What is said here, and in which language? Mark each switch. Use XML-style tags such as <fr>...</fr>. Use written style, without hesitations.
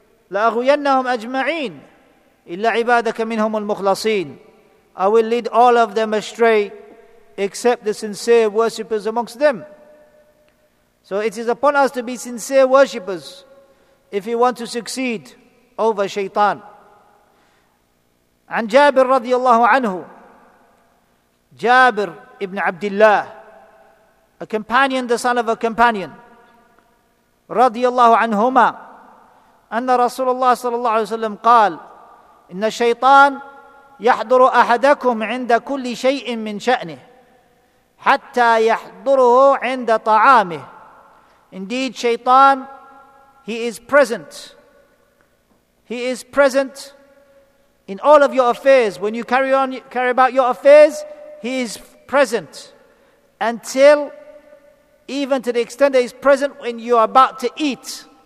<ar>لَأَغْوِيَنَّهُمْ أَجْمَعِينَ إِلَّا عِبَادَكَ مِنْهُمُ الْمُخْلَصِينَ.</ar> <en>I will lead all of them astray except the sincere worshippers amongst them. So it is upon us to be sincere worshippers if we want to succeed over Shaitan.</en> <ar>عن جابر رضي الله عنه,</ar> <en>Jabir ibn Abdullah, a companion,</en> <ar>the son of a companion, رضي الله عنهما, أن رسول الله صلى الله عليه وسلم قال إن الشيطان يحضر أحدكم عند كل شيء من شأنه حتى يحضره عند طعامه.</ar> <en>Indeed, Shaitan, he is present. He is present In all of your affairs, when you carry about your affairs, He is present. Until, even to the extent that He's present when you are about to eat.</en>